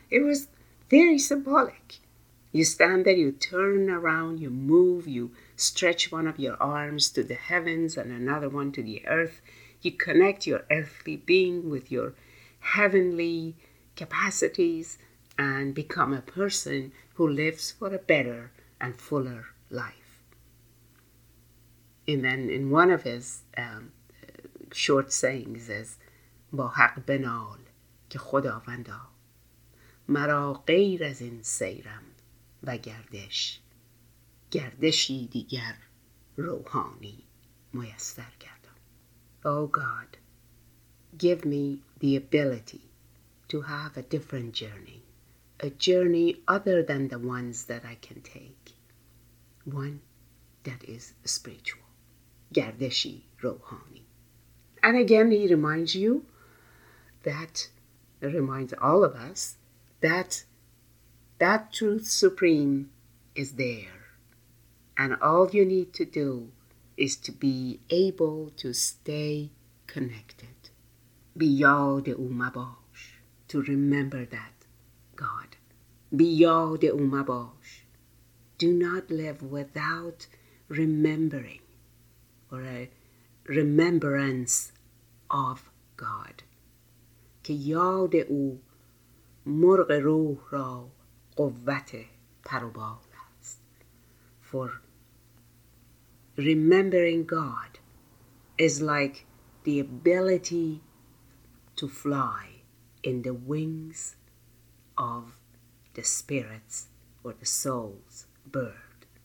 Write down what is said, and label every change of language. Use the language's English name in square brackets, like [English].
[English] It was very symbolic. You stand there, you turn around, you move, you stretch one of your arms to the heavens and another one to the earth. You connect your earthly being with your heavenly capacities and become a person who lives for a better and fuller life. And then in one of his short sayings is, [Persian] با حق بنال که خداوندا مرا غیر از این سیرم و گردش گردشی دیگر روحانی میسر کردم. [English] Oh God, give me the ability to have a different journey, a journey other than the ones that I can take, one that is spiritual, [Persian] گردشی روحانی. [English] And again he reminds you, that reminds all of us, that truth supreme is there. And all you need to do is to be able to stay connected. [Persian] بیاد او مباش. [English] To remember that God. [Persian] بیاد او مباش. [English] Do not live without remembering or a remembrance of God. [Persian] که یاد او مرغ روح را قوت پر و بال است. [English] For remembering God is like the ability to fly in the wings of the spirits or the soul's bird.